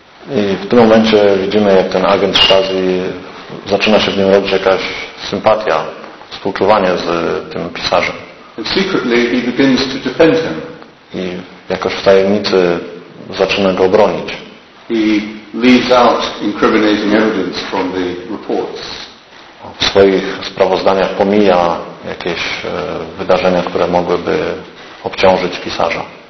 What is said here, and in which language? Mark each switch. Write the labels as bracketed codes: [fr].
[pl] I w tym momencie widzimy, jak ten agent Stasi zaczyna się w nim robić jakaś sympatia, współczuwanie z tym pisarzem. [en] And secretly he begins to defend him. [pl] I jakoś w tajemnicy zaczyna go obronić. [en] He leaves out incriminating evidence from the reports. [pl] W swoich sprawozdaniach pomija jakieś wydarzenia, które mogłyby obciążyć pisarza.